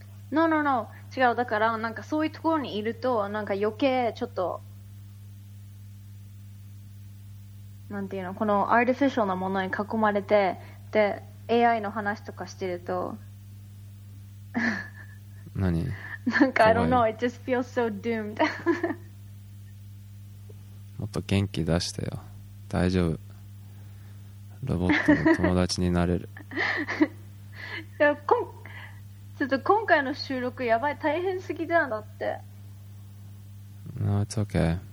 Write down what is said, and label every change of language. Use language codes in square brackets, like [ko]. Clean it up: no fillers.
[ja] No. 違う。だからなんかそういうところにいるとなんか余計ちょっとなんていうのこのアーティフィシャルなものに囲まれてで AI の話とかしてると何 [en] なんか I don't know it just feels so doomed [ja] もっと元気出してよ大丈夫ロボットの友達になれるいやこんちょっと今回の収録やばい大変すぎじゃんだって [en] No, it's okay